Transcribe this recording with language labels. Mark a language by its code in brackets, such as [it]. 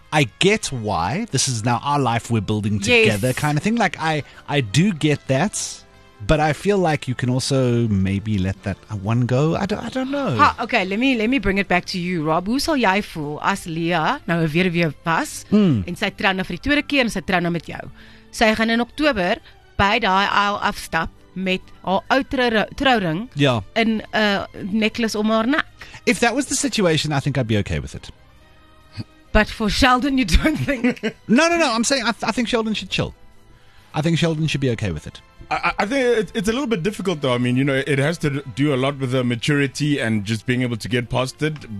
[en] I get why this is now our life we're building together, yes, kind of thing. Like, I do get that, but I feel like you can also maybe let that one go. I don't know. Okay, let me bring it back to you, Rob. [af] Hoe sal jy voel as Leah nou weer pas en sy trou nou vir die tweede keer en sy trou nou met jou? Sy gaan in Oktober by daai aisle afstap met haar ou trouring in 'n necklace om haar nek. [en] If that was the situation, I think I'd be okay with it. But for Sheldon, you don't think... No. I'm saying I think Sheldon should chill. I think Sheldon should be okay with it. I think it's a little bit difficult, though. I mean, you know, it has to do a lot with the maturity and just being able to get past it.